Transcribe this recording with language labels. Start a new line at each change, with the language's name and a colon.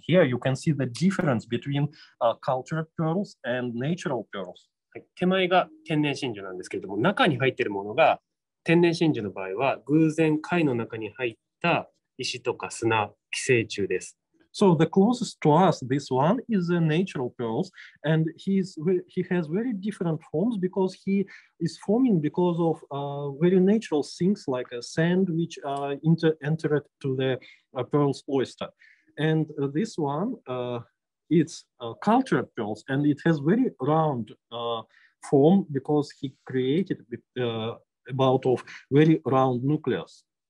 English: Here you can see the difference between cultured pearls and natural pearls.
Japanese: 手前が天然真珠なんですけれども、中に入っているものが天然真珠の場合は偶然貝の中に入った石とか砂、寄生虫です。
English: So the closest to us, this one is a natural pearls, and he has very different forms because he is forming because of very natural things like a sand which entered to the pearl's oyster. And this one, it's cultured pearls, and it has very round form because he created about of very round nucleus.